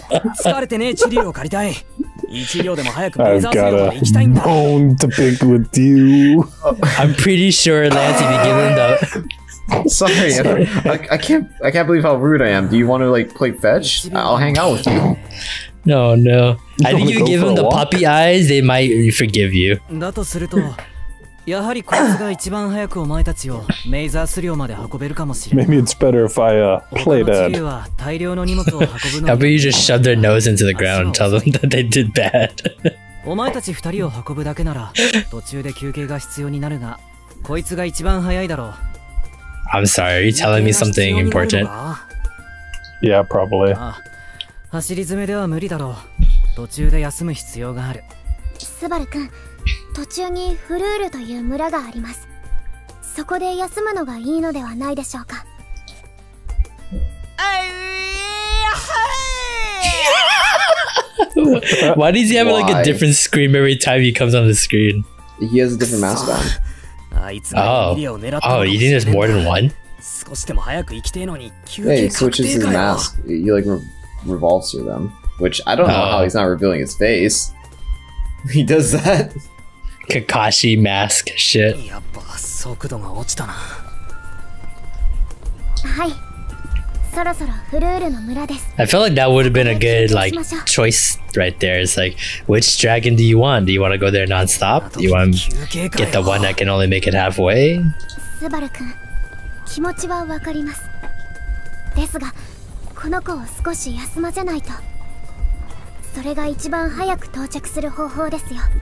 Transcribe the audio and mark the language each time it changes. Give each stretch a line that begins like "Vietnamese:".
English: I've got a bone to pick with you. I'm pretty sure Lance would be giving up. Sorry, I can't believe how rude I am. Do you want to like play fetch? I'll hang out with you. No. I think you give them the puppy eyes, they might forgive you.
Japanese: やはりこいつが一番早くお前たちをメイザース寮まで運べるかもしれない。
English: Maybe it's better if I play dead.
Japanese: は大量の荷物を運ぶの。
English: How about you just shove their nose into the ground and tell them that they did bad?
Japanese: お前たち二人を運ぶだけなら途中で休憩が必要になるが、こいつが一番早いだろう。
English: I'm sorry, are you telling me something important? Yeah, probably.
Japanese: 走り詰めでは無理だろう。途中で休む必要がある。スバル君。途中にフルールという村があります。そこで休むのがいいのではないでしょうか。
English: Why does he have like a different scream every time he comes on the screen? He has a different mask on. Oh, you think there's more than one?
Japanese: 少しでも早く生きてえのに休憩確定かよ。
English: Yeah, he switches his mask. He like revolves through them. Which I don't know how he's not revealing his face. He does that. Kakashi mask shit.
Japanese: やっぱ速度が落ちたな。はい。そろそろフルールの村です。
English: I feel like that would have been a good like choice right there. It's like, which dragon do you want? Do you want to go there nonstop? Do you want to get the one that can only make it halfway?
Japanese: スバル君、気持ちはわかります。ですが、この子を少し休ませないと。それが一番早く到着する方法ですよ。